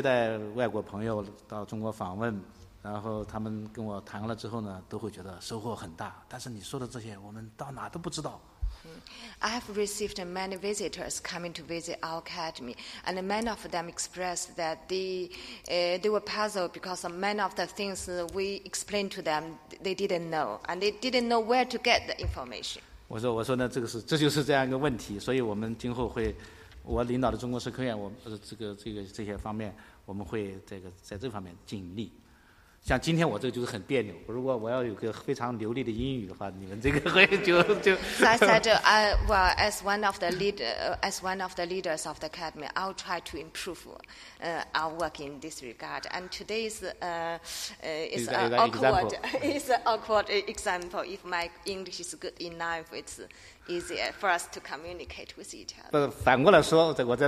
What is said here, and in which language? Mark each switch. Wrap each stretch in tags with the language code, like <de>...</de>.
<zh>你说的这个问题是非常突出的，我就最后说一下，我经常会接待外国朋友到中国访问。然后他们跟我谈了之后呢，都会觉得收获很大。但是你说的这些，我们到哪都不知道。</zh> <en>I have received many visitors coming to visit our academy, and many of them expressed that they were puzzled because many of the things we explained to them they didn't know, and they didn't know where to get the information.</en> <zh>我说呢，这个是这就是这样一个问题，所以我们今后会，我领导的中国社科院，我这些方面，我们会在这方面尽力。像今天我这个就是很别扭，如果我要有个非常流利的英语的话，你们这个会就。</zh> <en>So I said, well, as one of the leaders, as one of the leaders of the academy, I'll try to improve our work in this regard. And today is an awkward example. If my English is good enough, it's easier for us to communicate with each other.</en>